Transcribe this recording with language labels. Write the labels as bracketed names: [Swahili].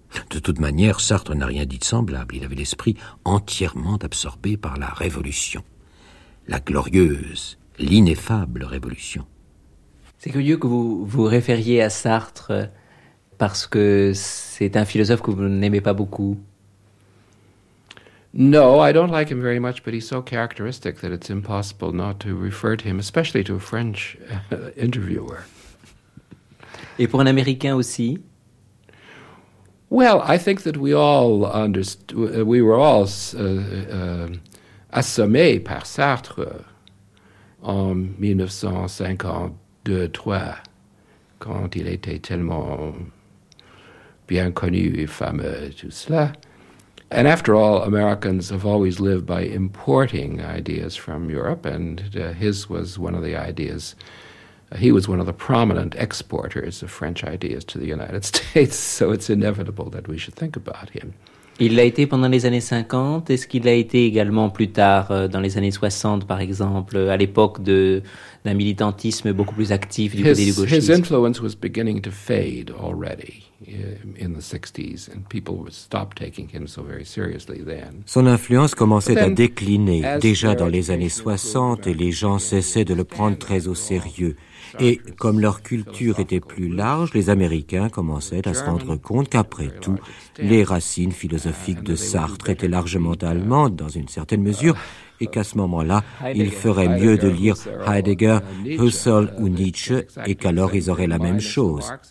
[French] De toute manière, Sartre n'a rien dit de semblable. Il avait l'esprit entièrement absorbé par la révolution. La glorieuse, l'ineffable révolution. C'est curieux que vous vous référiez à Sartre parce que c'est un philosophe que vous n'aimez pas beaucoup. [English] No, I don't like him very much, but he's so characteristic that it's impossible not to refer to him, especially to a French interviewer. [French] Et pour un Américain aussi? [English] Well, I think that we all understood, we were all [French] assommés par Sartre en 1952-3, quand il était tellement bien connu et fameux, tout cela. [English] And after all, Americans have always lived by importing ideas from Europe, and his was one of the ideas. He was one of the prominent exporters of French ideas to the United States, so it's inevitable that we should think about him. [French] Il l'a été pendant les années 50. Est-ce qu'il l'a été également plus tard, dans les années 60, par exemple, à l'époque d'un militantisme beaucoup plus actif du côté du gauchisme? [English] His influence was beginning to fade already in the 60s, and people stopped taking him so very seriously then. [French] Son influence commençait à décliner déjà dans les années 60 et les gens cessaient de le prendre très au sérieux. Et comme leur culture était plus large, les Américains commençaient à se rendre compte qu'après tout, les racines philosophiques de Sartre étaient largement allemandes dans une certaine mesure, et qu'à ce moment-là, ils feraient mieux de lire Heidegger, Husserl ou Nietzsche, et qu'alors ils auraient la même chose.